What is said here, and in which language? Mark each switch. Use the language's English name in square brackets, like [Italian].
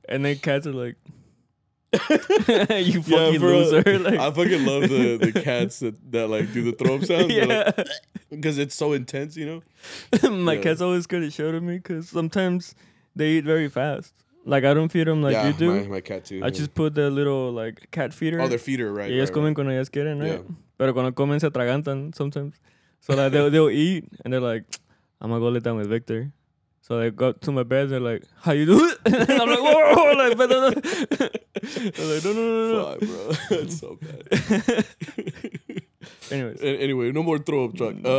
[English] and then cats are like, you fucking yeah, bro, loser. Like, I fucking love the cats that like, do the throw-up sounds. Yeah. They're like, because it's so intense, you know? My cat's always good at show to me because sometimes they eat very fast. Like, I don't feed them like you do. Yeah, my cat too. I just put the little, like, cat feeder. Oh, their feeder, right. [Spanish] Ellos [English] right, [Spanish] comen cuando ellas quieren, right? Pero cuando comen se atragantan [English] sometimes. So, like, they'll eat and they're like, I'm going to go lay down with Victor. So, they go to my bed and they're like, how you do it? And I'm like, whoa, like, but no. I'm like, no. Fuck, bro. That's so bad. Anyway, no more throw up truck.